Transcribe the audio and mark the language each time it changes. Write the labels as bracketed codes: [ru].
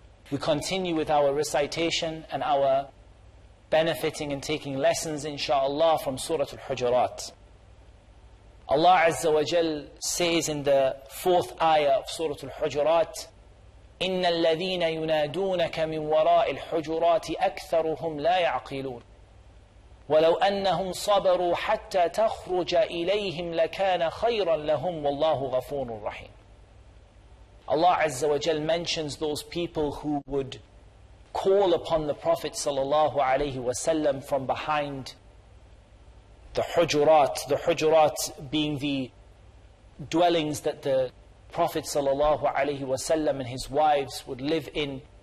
[en] We continue with our recitation and our benefiting and taking lessons, inshallah, from Surah Al-Hujurat. Allah Azza wa Jal says in the fourth ayah of Surah Al-Hujurat, [ar] إن الذين ينادونك من وراء الحجرات أكثرهم لا يعقلون ولو أنهم صبروا حتى تخرج إليهم لكان خيرا لهم والله غفور رحيم. [en] Allah Azza wa Jal mentions those people who would call upon the Prophet sallallahu alayhi wa sallam from behind the hujurat being the dwellings that the Prophet sallallahu alaihi wasallam and his wives would live in.